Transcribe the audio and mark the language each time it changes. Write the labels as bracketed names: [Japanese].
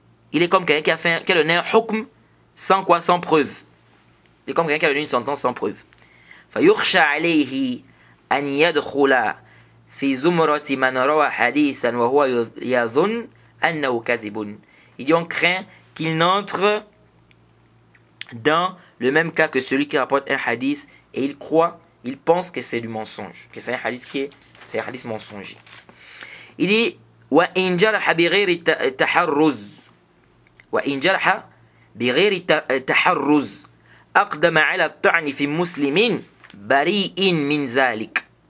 [French] Qui a donné un hukm sans quoi? Sans preuve. Il est comme quelqu'un qui a donné une sentence sans preuve. [Arabic] فَيُخْشَ عَلَيْهِ أَنْ يَدْخُلَ في زمرة من روى حديثا وهو يظن أنه كذب. [French] Il dit on craint qu'il n'entre dans le même cas que celui qui rapporte un hadith et il croit, il pense que c'est du mensonge, que c'est un hadith qui est, c'est un hadith mensonger. Il dit [Arabic] وإن جرح بغير التحرز وإن جرح بغير التحرز أقدم على الطعن في مسلم بريء من ذلك.